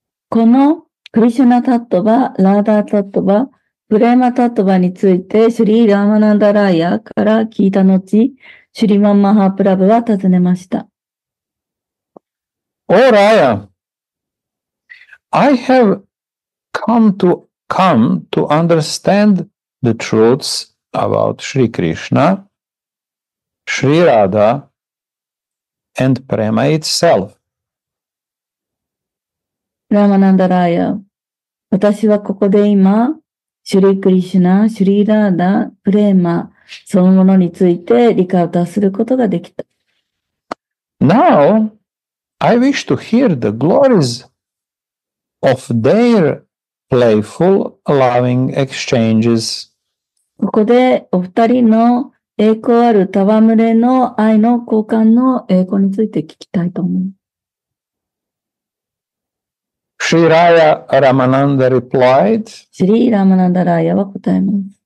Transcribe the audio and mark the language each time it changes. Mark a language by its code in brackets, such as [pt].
[ja] このクリシュナタットバ、ラーダータットバ、プレマタットバについてシュリー・ラーマナンダライヤーから聞いた後、シュリマン・マハプラブは尋ねました。 [en] オーライヤー、I have come to understand the truths about Sri Krishna, Sri Radha, and Prema itself. [ja] ラーマナンダラーヤ、私はここで今、シュリークリシュナ、シュリーラーダ、プレーマ、そのものについて理解を達することができた。 [en] Now, I wish to hear the glories of their playful, loving exchanges. [ja] ここでお二人の栄光ある戯れの愛の交換の栄光について聞きたいと思う。 [en] Sri Raya Ramananda replied, [ja] Sri Ramananda Raya は答えます。